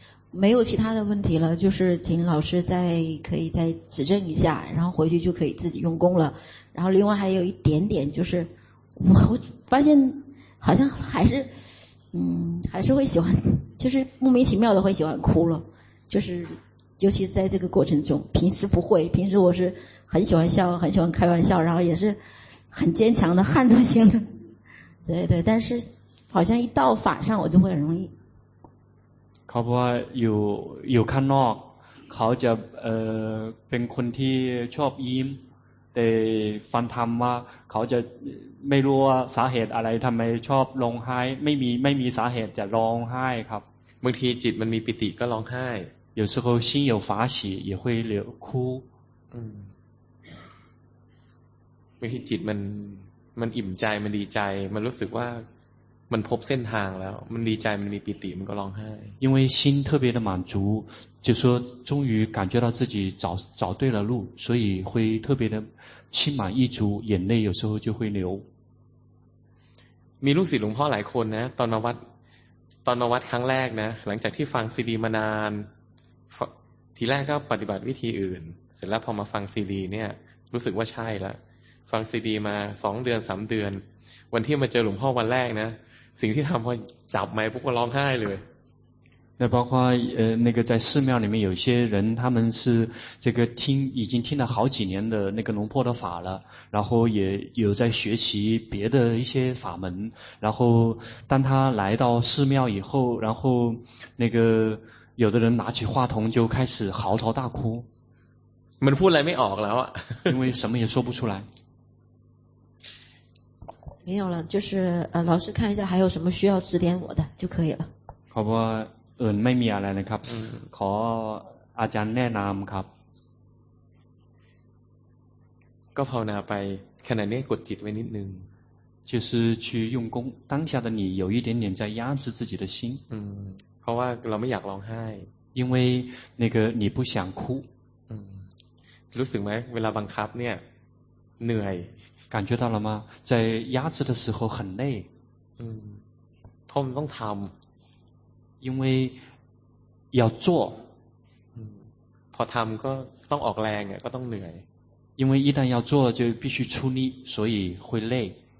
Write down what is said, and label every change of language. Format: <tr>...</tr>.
<zh>没有其他的问题了就是请老师再可以再指正一下然后回去就可以自己用功了然后另外还有一点点就是我发现好像还是会喜欢就是莫名其妙的会喜欢哭了就是尤其在这个过程中平时不会平时我是很喜欢笑很喜欢开玩笑然后也是很坚强的汉子型的对对但是好像一到法上我就会很容易</zh> <th>เขาบอกว่าอยู่ข้างนอกเขาจะเป็นคนที่ชอบยิ้มแต่ฟังธรรมว่าเขาจะไม่รู้ว่าสาเหตุอะไรทำไมชอบร้องไห้ไม่มีสาเหตุจะร้องไห้ครับ บางทีจิตมันมีปิติก็ร้องไห้</th> <zh>有时候心有法喜也会流哭</zh> <th>บางทีจิตมันอิ่มใจมันดีใจมันรู้สึกว่า มันพบเส้นทางแล้วมันดีใจมันมีปิติมันก็ร้องไห้</th> <zh>因为心特别的满足就说终于感觉到自己找对了路所以会特别的心满意足眼泪有时候就会流</zh> <th>มีลูกศิษย์หลวงพ่อหลายคนนะตอนมาวัดครั้งแรกนะหลังจากที่ฟังซีดีมานานทีแรกก็ปฏิบัติวิธีอื่นเสร็จแล้วพอมาฟังซีดีเนี่ยรู้สึกว่าใช่ละฟังซีดีมา2เดือน3เดือนวันที่มาเจอหลวงพ่อวันแรกนะสิ่งที่ทำพอจับไมค์ปุ๊บก็ร้องไห้เลย</th> <zh>那包括那个在寺庙里面有些人他们是这个听已经听了好几年的那个龙婆的法了然后也有在学习别的一些法门然后当他来到寺庙以后然后那个有的人拿起话筒就开始嚎啕大哭</zh> <th>มันพูดอะไรไม่ออกแล้วอ่ะ</th> <zh>因为什么也说不出来没有了就是老师看一下还有什么需要指点我的就可以了好不好</zh> <th>เออไม่มีอะไรนะครับขออาจารย์แนะนำครับ ก็ภาวนาไปขณะนี้กดจิตไว้นิดนึง</th> <zh>就是去用功当下的你有一点点在压制自己的心</zh> <th>เพราะว่าเราไม่อยากร้องไห้</th> <zh>因为那个你不想哭</zh> <th>รู้สึกไหมเวลาบังคับเนี่ยเหนื่อย</th> <zh>感觉到了吗在压制的时候很累</zh> <th>เพราะมันต้องทำ</th> <zh>因为要做</zh> <th>พอทำก็ต้องออกแรงก็ต้องเหนื่อย</th> <zh>因为一旦要做就必须出力所以会累</zh>